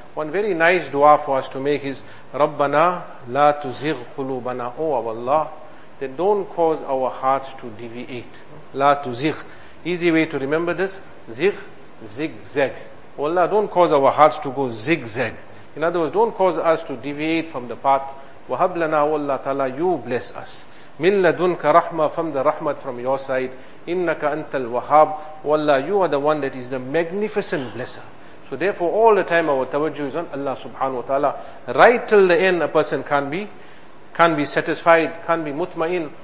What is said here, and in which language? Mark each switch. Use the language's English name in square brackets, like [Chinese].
[English] One very nice dua for us to make is, [Arabic] رَبَّنَا لَا تُزِغْ قُلُوبَنَا. [English] Oh, our Allah, then don't cause our hearts to deviate. [Arabic] لَا تُزِغْ. [English] Easy way to remember this, زِغْ, zigzag. Oh Allah, don't cause our hearts to go zigzag. In other words, don't cause us to deviate from the path. [Arabic] وَهَبْ لَنَا وَاللَّهَ تَعَلَىٰ, [English] you bless us. [Arabic] مِنْ لَدُنْكَ رَحْمَةً, [English] from the rahmat from your side. [Arabic] إِنَّكَ أَنْتَ الْوَهَابُ. [English] وَاللَّهَ, you are the one that is the magnificent blesser. So therefore all the time our tawajjuh is on Allah subhanahu wa ta'ala. Right till the end a person can't be satisfied, can't be mutmain.